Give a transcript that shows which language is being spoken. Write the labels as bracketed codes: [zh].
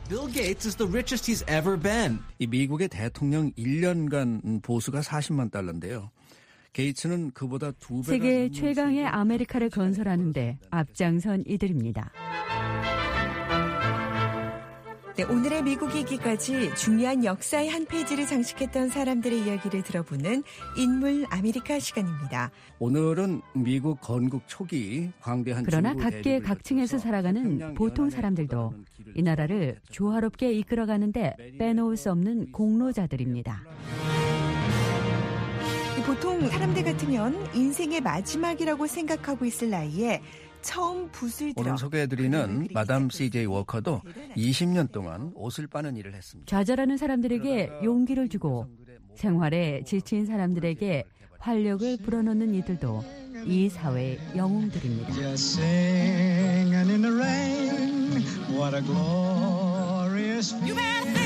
[en] Bill Gates is the richest he's ever been. [ko] 이 미국의 대통령 1년간 보수가 40만 달러인데요. 게이츠는 그보다 두 배가 세계 최강의 아메리카를 건설하는데 앞장선 이들입니다. 네, 오늘의 미국이기까지 중요한 역사의 한 페이지를 장식했던 사람들의 이야기를 들어보는 인물 아메리카 시간입니다. 오늘은 미국 건국 초기 광대한 그러나 각계 각층에서 살아가는 보통 사람들도 이 나라를 조화롭게 이끌어가는데 빼놓을 수 없는 공로자들입니다. 보통 사람들 같으면 인생의 마지막이라고 생각하고 있을 나이에 처음 붓을 들어 오늘 소개해드리는 마담 CJ 워커도 20년 동안 옷을 빠는 일을 했습니다. 좌절하는 사람들에게 용기를 주고 생활에 지친 사람들에게 활력을 불어넣는 이들도 이 사회의 영웅들입니다. [en] Just singing in the rain, what a glorious feeling.